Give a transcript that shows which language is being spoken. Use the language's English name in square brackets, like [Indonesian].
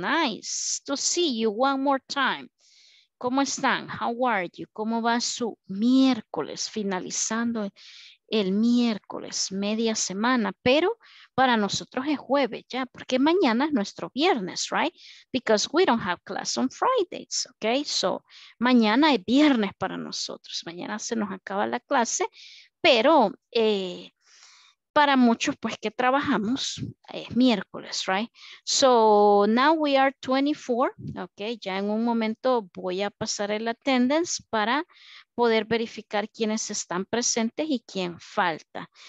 [English] Nice to see you one more time. [Spanish] ¿Cómo están? [English] How are you? [Spanish] ¿Cómo va su miércoles? Finalizando el miércoles, media semana, pero para nosotros es jueves ya, porque mañana es nuestro viernes, right? [English] Because we don't have class on Fridays, okay? [Spanish] So, mañana es viernes para nosotros. Mañana se nos acaba la clase, pero para muchos, pues que trabajamos, es miércoles, right? [English] So, now we are 24, okay? [Spanish] Ya en un momento voy a pasar el attendance para poder verificar quiénes están presentes y quién falta.